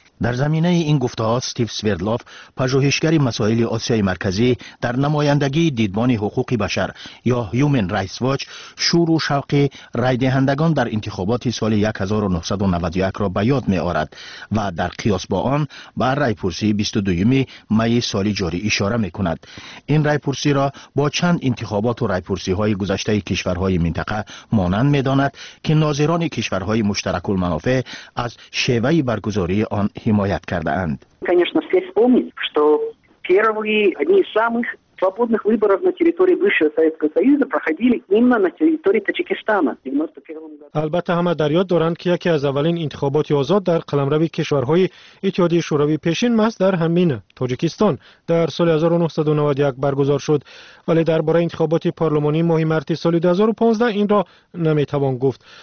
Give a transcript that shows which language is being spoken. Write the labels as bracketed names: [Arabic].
[Persian] در زمینه این گفته ها استیو سویردلوف، پژوهشگر مسائل آسیای مرکزی در نمایندگی دیدبان حقوق بشر یا Human Rights Watch، شور و شوق رای دهندگان در انتخابات سال 1991 را به یاد می آورد و در قیاس با آن به رای پرسی 22 می سال جاری اشاره می کند. این رای پرسی را با چند انتخابات و رای پرسی های گذشته کشورهای منطقه مانند می داند که ناظران کشورهای مشترک المنافع از شیوه برگزاری آن حمایت کرده اند. [Russian] Конечно, все вспомнить, что первые одни из самых свободных выборов на территории бывшего Советского Союза проходили именно на территории Таджикистана. [Persian] البته همه در یاد دارند که یکی از اولین انتخابات آزاد در قلمرو کشورهای اتحادیه شوروی پیشین محض در همین تاجیکستان در سال 1991 برگزار شد، ولی درباره انتخابات پارلمانی ماه مارس سال 2015 این را نمیتوان گفت.